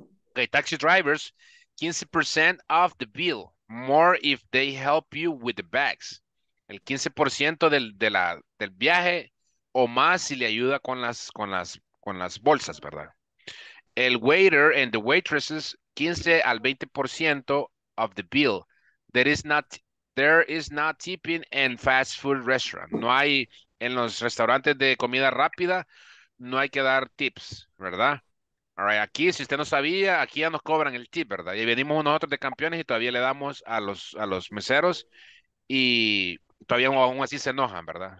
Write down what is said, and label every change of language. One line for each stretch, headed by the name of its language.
English: Okay, taxi drivers, 15% of the bill, more if they help you with the bags.
Spanish: El 15% del viaje o más si le ayuda con las bolsas, ¿verdad?
English: El waiter and the waitresses, 15 al 20% of the bill. There is not tipping in fast food restaurant.
Spanish: No hay en los restaurantes de comida rápida, no hay que dar tips, ¿verdad?
English: All right,
Spanish: aquí si usted no sabía, aquí ya nos cobran el tip, ¿verdad? Y venimos nosotros de campeones y todavía le damos a los meseros y todavía aún así se enojan, ¿verdad?